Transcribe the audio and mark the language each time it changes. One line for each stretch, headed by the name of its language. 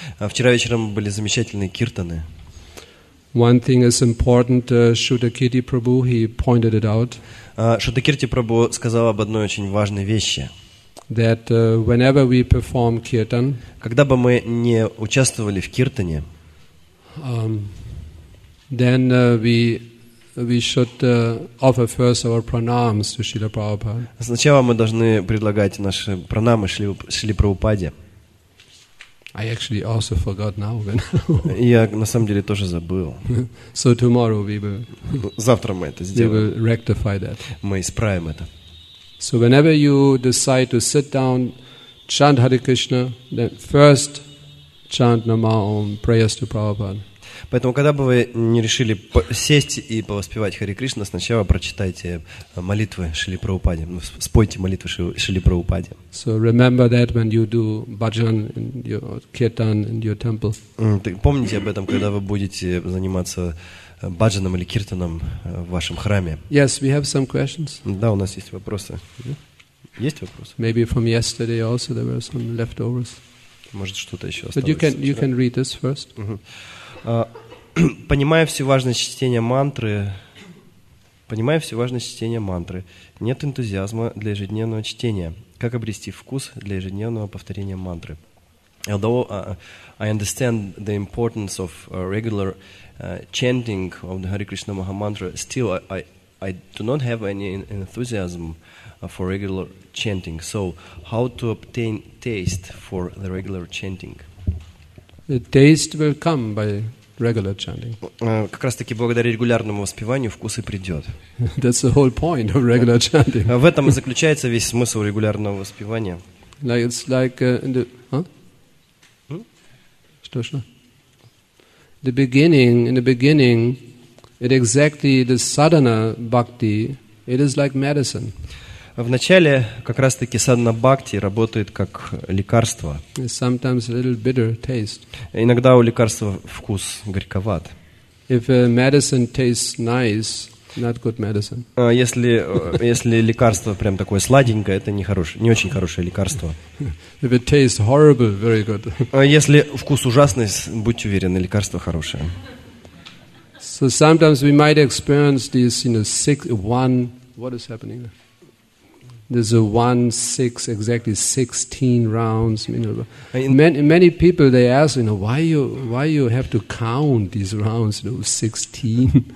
Russian: Вчера вечером были замечательные киртаны.
English: One thing is important, Shudakirti Prabhu, he pointed it out.
Russian: Шудакирти Прабху сказал об одной очень важной вещи.
English: That whenever we perform kirtan,
Russian: когда бы мы не участвовали в киртане,
English: then we should offer first our pranams to Srila Prabhupada.
Russian: Сначала мы должны предлагать наши пранамы Шриле Прабхупаде.
English: I actually also forgot now.
Russian: Я на самом деле тоже забыл.
English: So tomorrow we will.
Russian: Завтра мы это сделаем.
English: We will rectify that.
Russian: Мы исправим это.
English: So whenever you decide to sit down, chant Hare Krishna, then first chant Nama Om, prayers to Prabhupada.
Russian: Поэтому, когда бы вы не решили сесть и повоспевать Хари Кришна, сначала прочитайте молитвы Шили Прабхупаде, спойте молитвы Шили Прабхупаде.
English: So remember that when you do bhajan in your kirtan in your temple.
Russian: Помните об этом, когда вы будете заниматься бхаджаном или киртаном в вашем храме.
English: Yes, we have some questions.
Russian: Да, у нас есть вопросы. Есть вопросы?
English: Maybe from yesterday also there were some leftovers.
Russian: Может, что-то еще осталось.
English: But you can read this first.
Russian: Понимая всю важность чтения мантры, нет энтузиазма для ежедневного чтения. Как обрести вкус для ежедневного повторения мантры?
English: Although I understand the importance of regular chanting of the Hare Krishna Maha Mantra, still I do not have any enthusiasm for regular chanting. So how to obtain taste for the regular chanting? The taste will come by regular chanting.
Russian: Как раз таки благодаря регулярному воспеванию вкус и придет.
English: That's the whole point of regular chanting.
Russian: В этом и заключается весь смысл регулярного воспевания.
English: Like it's like in the
Russian: Что?
English: In the beginning, it exactly the sadhana bhakti. It is like medicine.
Russian: В начале как раз таки садхана бхакти работает как лекарство.
English: Sometimes a little bitter taste.
Russian: Иногда у лекарства вкус горьковат.
English: If a medicine tastes nice, not good medicine.
Russian: Если лекарство прям такое сладенькое, это не очень хорошее лекарство.
English: If it tastes horrible, very good.
Russian: Если вкус ужасный, будьте уверены, лекарство хорошее.
English: So sometimes we might experience this, you know, six, one. What is happening? There's a 1-6, exactly 16 rounds. Many people they ask, you know, why you have to count these rounds, you know, 16.